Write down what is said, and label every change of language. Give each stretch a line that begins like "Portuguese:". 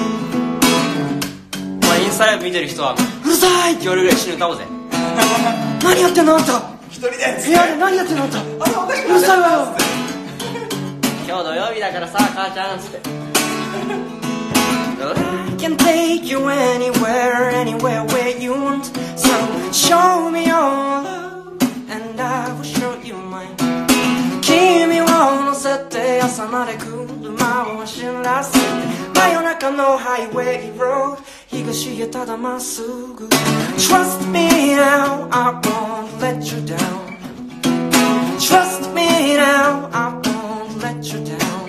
Japanese: まあ、インサイド見てる人はうるさいって言われるぐらい一緒に歌おうぜ。何やってんのあんた。一人で部屋で何やってんのあんた。うるさいわよ。今日土曜日だからさ、母ちゃんつって。
English: I can take you anywhere, anywhere where you want. So show me your love and I will show you mine.
Japanese: 君を乗せて朝まで車を走らせて真夜中のハイウェイロード東へただまっすぐ
English: Trust me now, I won't let you down.
Japanese: Trust me now, I won't let you down.